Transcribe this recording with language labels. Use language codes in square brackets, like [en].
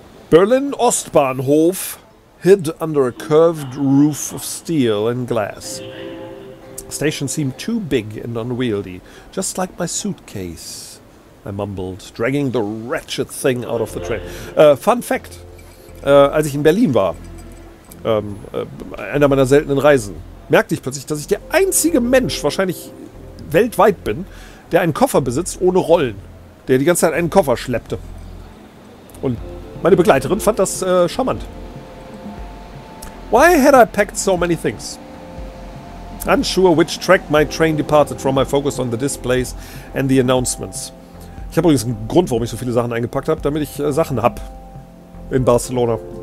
[en] Berlin Ostbahnhof hid under a curved roof of steel and glass. The station seemed too big and unwieldy, just like my suitcase, I mumbled, dragging the wretched thing out of the train. Fun fact, [de] als ich in Berlin war, einer meiner seltenen Reisen, merkte ich plötzlich, dass ich der einzige Mensch wahrscheinlich weltweit bin, der einen Koffer besitzt ohne Rollen, der die ganze Zeit einen Koffer schleppte. Und meine Begleiterin fand das charmant. [en] Why had I packed so many things? Unsure which track my train departed from, I focused on the displays and the announcements. [de] Ich habe übrigens einen Grund, warum ich so viele Sachen eingepackt habe, damit ich Sachen habe in Barcelona.